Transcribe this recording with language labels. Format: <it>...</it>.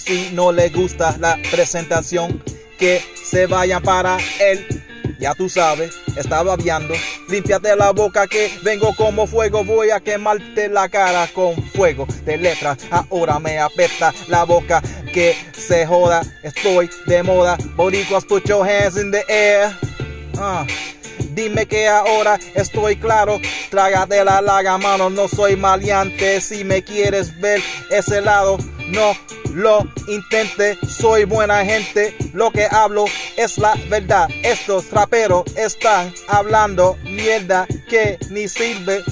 <es>Si no le gusta la presentación, que se vayan para el... Ya tú sabes, estaba babeando. Límpiate la boca que vengo como fuego. Voy a quemarte la cara con fuego de letras. Ahora me apesta la boca que se joda. Estoy de moda.</es> <en>Boricuas, put your hands in the air.</en> <es>Dime que ahora estoy claro. Trágate la laga, mano. No soy maleante. Si me quieres ver ese lado, no lo intente, soy buena gente, lo que hablo es la verdad. Estos raperos están hablando mierda que ni sirve.</es>